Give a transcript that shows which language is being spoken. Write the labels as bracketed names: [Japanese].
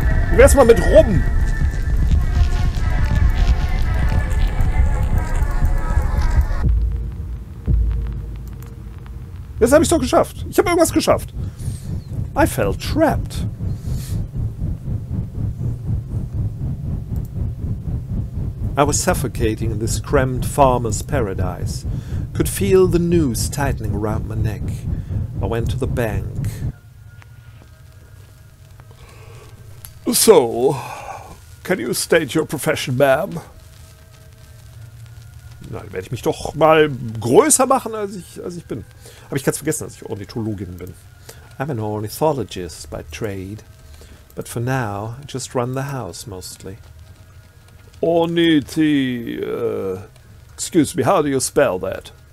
[German] Wie wär's mal mit Rum? Jetzt habe ich's doch geschafft. Ich habe irgendwas geschafft. [English] I felt trapped. I was suffocating in this cramped farmer's paradise. Could feel the noose tightening around my neck. I went to the bank. So, can you state your profession, ma'am? [German] Na, dann werde ich mich doch mal größer machen, als ich bin. Aber ich kann es vergessen, dass ich Ornithologin bin. [English] I'm an ornithologist by trade. But for now, I just run the house, mostly. Ornithi... excuse me, how do you spell that?